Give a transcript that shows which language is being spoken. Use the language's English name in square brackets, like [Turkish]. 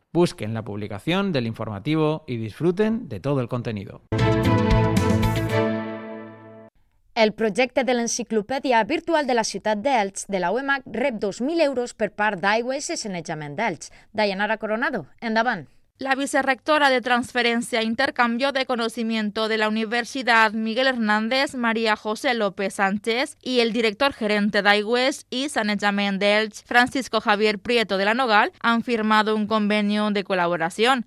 [Spanish] Busquen la publicación del informativo y disfruten de todo el contenido. [Catalan] El projecte de l'enciclopèdia virtual de la ciutat d'Elx de la UMH rep 2.000 euros per part d'Aigües i Sanejament d'Elx. Dayanara Coronado, endavant. [Spanish] La vicerrectora de Transferencia e Intercambio de Conocimiento de la Universidad Miguel Hernández, María José López Sánchez, y el director gerente de IWES y Sanejament de Elche, Francisco Javier Prieto de la Nogal, han firmado un convenio de colaboración.